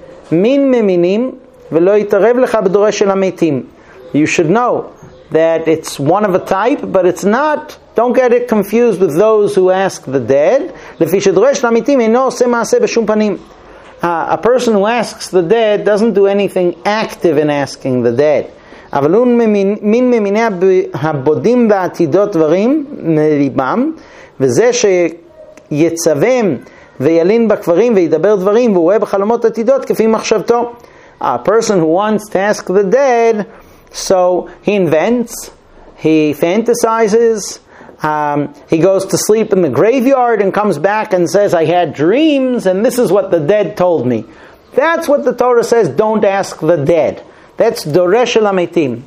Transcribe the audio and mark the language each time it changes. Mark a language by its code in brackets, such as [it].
[he] Min meminim velo itarev lecha b'dorei shel hametim. [en] You should know that it's one of a type, but it's not. Don't get it confused with those who ask the dead. [he] Lefi shedorei shel hametim eino oseh maaseh b'shum panim. [en] A person who asks the dead doesn't do anything active in asking the dead. [he] אבל הוא מין ממיני הבודים בעתידות דברים מליבם, וזה שיצבם וילין בקברים וידבר דברים והוא רואה בחלומות עתידות כפי מחשבתו. [en] A person who wants to ask the dead, so he invents, he fantasizes, he goes to sleep in the graveyard and comes back and says, I had dreams and this is what the dead told me. That's what the Torah says, don't ask the dead. That's Doresh El Ametim.